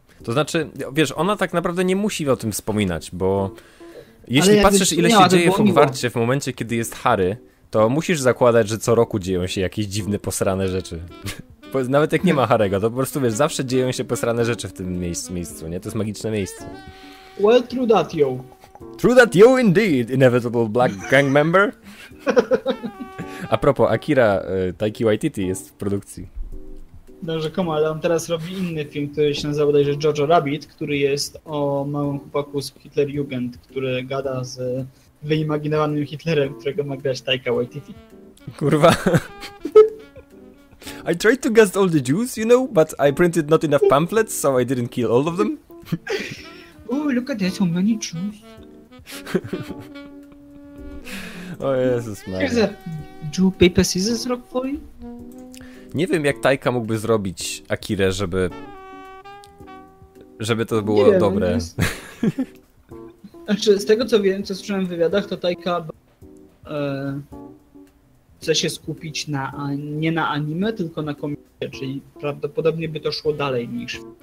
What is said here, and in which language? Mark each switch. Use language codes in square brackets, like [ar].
[pl] To znaczy, wiesz, ona tak naprawdę nie musi o tym wspominać, bo jeśli patrzysz, ile się dzieje w Hogwarcie w momencie, kiedy jest Harry, to musisz zakładać, że co roku dzieją się jakieś dziwne, posrane rzeczy. Nawet jak nie ma Harry'ego, to po prostu, wiesz, zawsze dzieją się posrane rzeczy w tym miejscu, nie? To jest magiczne miejsce. [en] Well, true that, yo. True that, yo, indeed, inevitable black gang member. [pl] A propos, Akira Taiki Waititi jest w produkcji. No rzekomo, ale on teraz robi inny film, który się nazywa bodajże Jojo Rabbit, który jest o małym chłopaku z Hitlerjugend, który gada z wyimaginowanym Hitlerem, którego ma grać Taika Waititi. Kurwa. [en] I tried to guess all the Jews, you know, but I printed not enough pamphlets, so I didn't kill all of them. Oh, look at that, so many Jews. [pl] O Jezus, man. [en] Here's a Jew paper scissors rock for you. [pl] Nie wiem, jak Taika mógłby zrobić Akirę, żeby to było nie wiem, dobre. Nie jest... Z tego, co wiem, co słyszałem w wywiadach, to Taika chce się skupić nie na anime, tylko na komiksie, czyli prawdopodobnie by to szło dalej niż...